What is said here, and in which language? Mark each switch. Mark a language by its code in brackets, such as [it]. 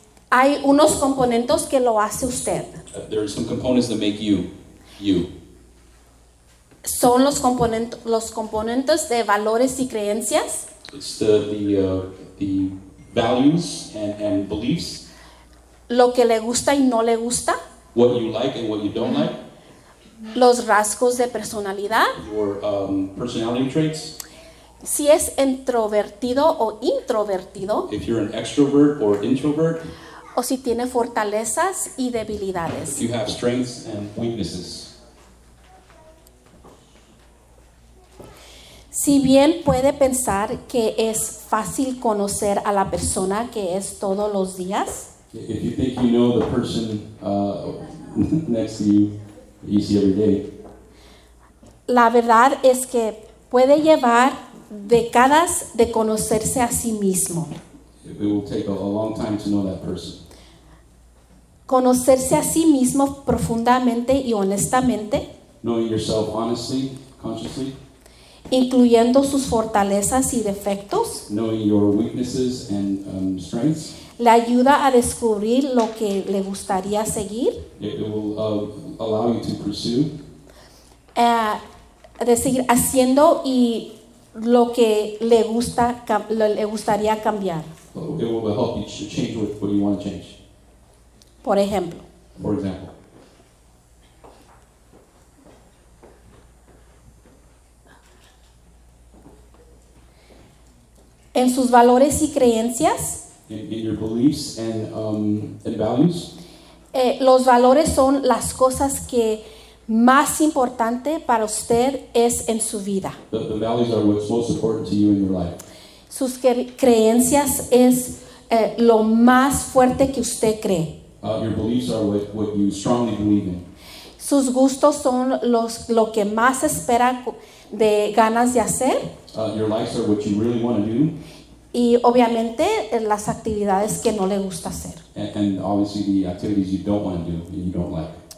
[es] hay unos componentes que lo hace usted. [en] There are some components that make you, you. [es] Son los componentes de valores y creencias. [en] It's the values and beliefs. [es] Lo que le gusta y no le gusta. [en] What you like and what you don't like. [es] Los rasgos de personalidad. [en] Your personality traits. [es] Si es introvertido o introvertido. [en] If you're an extrovert or introvert. [es] O si tiene fortalezas y debilidades. [en] If you have strengths and weaknesses. [es] Si bien puede pensar que es fácil conocer a la persona que es todos los días. [en] If you think you know the person next to you, you see every day. [es] La verdad es que puede llevar décadas de conocerse a sí mismo. [en] It will take a long time to know that person. [es] Conocerse a sí mismo profundamente y honestamente. [en] Knowing yourself honestly, consciously. [es] Incluyendo sus fortalezas y defectos. [en] Knowing your weaknesses and strengths. [es] Le ayuda a descubrir lo que le gustaría seguir. [en] It will allow you to pursue. [es] De seguir haciendo y lo que le gusta, le gustaría cambiar. [en] It will help you to change what you want to change. [es] Por ejemplo. [en] For example. [es] En sus valores y creencias. [en] In your beliefs and values. [es] Los valores son las cosas que más importante para usted es en su vida. [en] The values are what's most important to you in your life. [es] Sus creencias es lo más fuerte que usted cree. [en] Your beliefs are what you strongly believe in. [es] Sus gustos son lo que más espera de ganas de hacer. [en] Your likes are what you really want to do. [es] Y obviamente las actividades que no le gusta hacer. [en] And obviously the activities you don't want to do and you don't like.